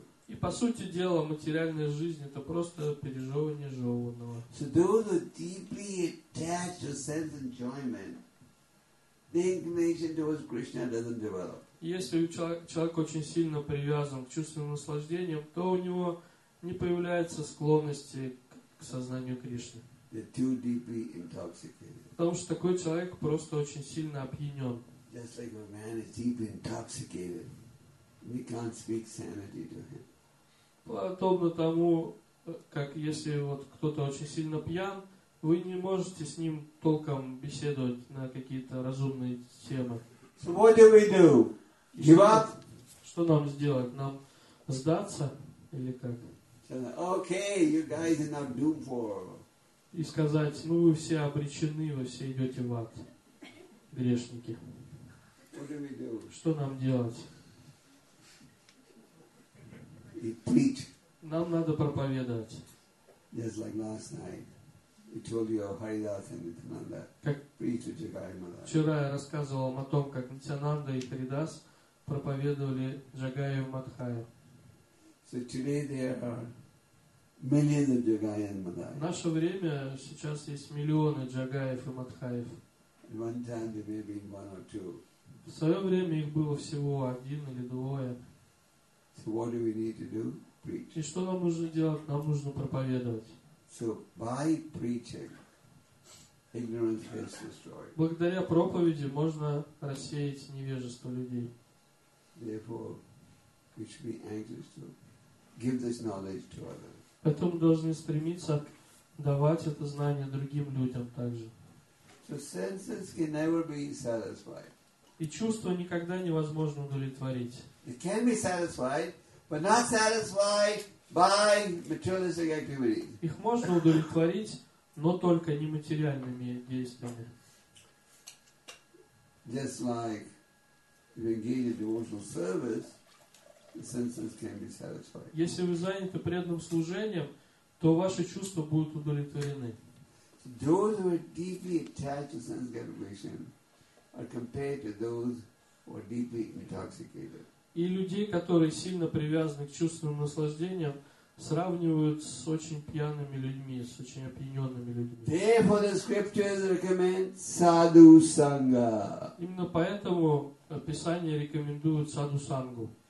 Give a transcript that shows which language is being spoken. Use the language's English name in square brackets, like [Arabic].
[Russian] И по сути дела, материальная жизнь — это просто пережевывание жеванного. [English] So those are deeply attached to sense enjoyment. The inclination towards Krishna doesn't develop. [Russian] Если человек очень сильно привязан к чувственным наслаждениям, то у него не появляется склонности к сознанию Кришны. [English] They're too deeply intoxicated. [Russian] Потому что такой человек просто очень сильно опьянен. [English] Just like a man is deeply intoxicated, we can't speak sanity to him. [Russian] Подобно тому, как если вот кто-то очень сильно пьян, вы не можете с ним толком беседовать на какие-то разумные темы. [English] So what do we do? Give up? [Russian] Что нам сделать? Нам сдаться или как? [English] Okay, you guys are not doomed for. [Russian] И сказать: ну вы все обречены, вы все идете в ад, грешники. [English] What do we do? [Russian] Что нам делать? [English] We preach. [Russian] Нам надо проповедовать. [English] Just like last night. He told you how Haridas and Nityananda preach to Jagai Maharaj. [Russian] Вчера я рассказывал вам о том, как Нитянанда и Харидас проповедовали Джагаю Мадхаю. [English] So today there are millions of Jagai and Madhai. [Russian] В наше время сейчас есть миллионы Джагаев и Мадхаев. [English] In one time there may be one or two. [Russian] В свое время их было всего один или двое. [English] So what do we need to do? Preach. [Russian] И что нам нужно делать? Нам нужно проповедовать. [English] So by preaching, ignorance gets destroyed. [Russian] Благодаря проповеди можно рассеять невежество людей. [English] Therefore, we should be anxious to give this knowledge to others. [Russian] Поэтому должны стремиться давать это знание другим людям также. [English] So senses can never be satisfied. [Russian] И чувства никогда невозможно удовлетворить. [English] It can be satisfied, but not satisfied by materialistic activities. [Russian] Их можно удовлетворить, но только нематериальными действиями. [English] Just like if you engage in devotional service, the senses can be satisfied. [Russian] Если вы заняты преданным служением, то ваши чувства будут удовлетворены. [English] those who are deeply attached to sense gratification are compared to those who are deeply intoxicated. [Russian] И людей, которые сильно привязаны к чувственным наслаждениям, сравнивают с очень пьяными людьми, с очень опьяненными людьми. [English] Therefore, the scriptures recommend sadhu sangha. [Russian] Именно поэтому Писание рекомендует саду сангу.